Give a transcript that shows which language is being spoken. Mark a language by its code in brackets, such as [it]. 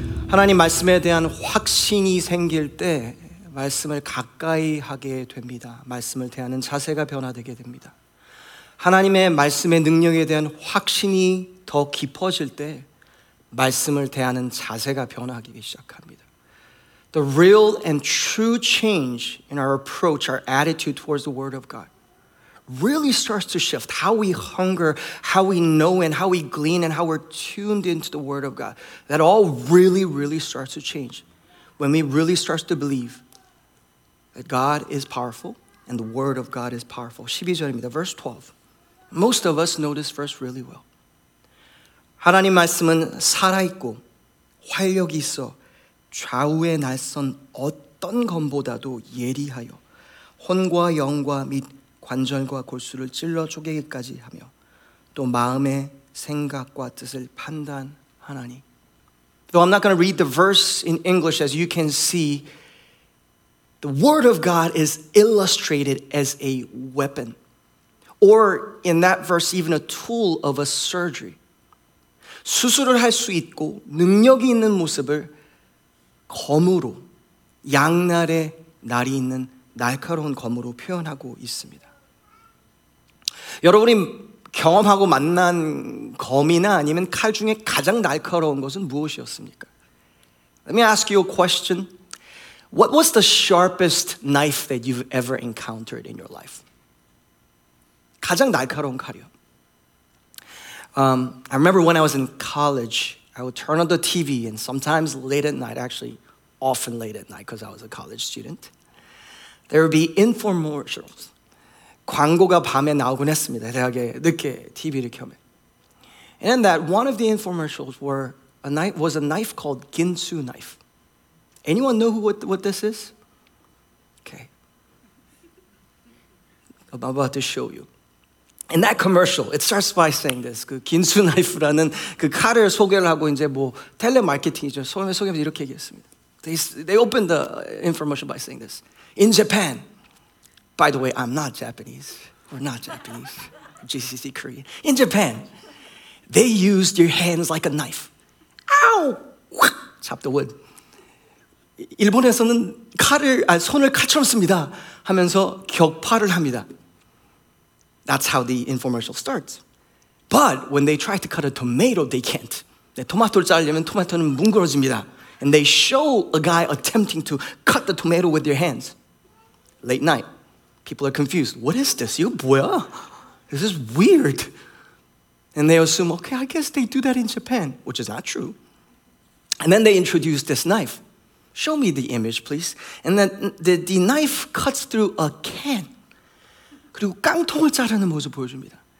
[ko] 하나님 말씀에 대한 확신이 생길 때 말씀을 가까이 하게 됩니다. 말씀을 대하는 자세가 변화되게 됩니다. 하나님의 말씀의 능력에 대한 확신이 더 깊어질 때 말씀을 대하는 자세가 변화하기 시작합니다. [en] The real and true change in our approach, our attitude towards the Word of God really starts to shift how we hunger, how we know and how we glean and how we're tuned into the Word of God. That all really, really starts to change when we really start to believe that God is powerful and the Word of God is powerful. [ko] 12절입니다. [en] Verse 12. Most of us know this verse really well. [ko] 하나님 말씀은 살아있고 활력이 있어 좌우에 날선 어떤 검보다도 예리하여 혼과 영과 및 관절과 골수를 찔러 쪼개기까지 하며 또 마음의 생각과 뜻을 판단하나니. [en] Though I'm not going to read the verse in English, as you can see, the word of God is illustrated as a weapon. Or in that verse, even a tool of a surgery. [ko] 수술을 할 수 있고 능력이 있는 모습을 검으로, 양날의 날이 있는 날카로운 검으로 표현하고 있습니다. 여러분이 경험하고 만난 검이나 아니면 칼 중에 가장 날카로운 것은 무엇이었습니까? [en] Let me ask you a question. What was the sharpest knife that you've ever encountered in your life? [ko] 가장 날카로운 칼이요. [en] I remember when I was in college, I would turn on the TV and sometimes late at night, actually often late at night because I was a college student, there would be infomercials. [ko] 광고가 밤에 나오곤 했습니다. 대학에 늦게 TV를 켜면. [en] And that one of the infomercials was a knife called Ginsu knife. Anyone know what this is? Okay. I'm about to show you. In that commercial, it starts by saying this. [ko] 그 긴수 나이프라는 그 칼을 소개를 하고 이제 뭐 텔레마케팅이죠. 소개하면서 이렇게 얘기했습니다. [en] They opened the information by saying this. In Japan, by the way, I'm not Japanese. We're not Japanese. GCC Korean. In Japan, they used your hands like a knife. Ow! Chop the wood. [ko] 일본에서는 손을 칼처럼 씁니다. 하면서 격파를 합니다. [en] That's how the infomercial starts. But when they try to cut a tomato, they can't. [ko] 네, 토마토를 자르려면 토마토는 뭉그러집니다. [en] And they show a guy attempting to cut the tomato with their hands. Late night, people are confused. What is this? [ko] 이거 뭐야? [en] This is weird. And they assume, okay, I guess they do that in Japan, which is not true. And then they introduce this knife. Show me the image, please. And then the knife cuts through a can. [ko] 그리고 깡통을 자르는 모습 보여줍니다.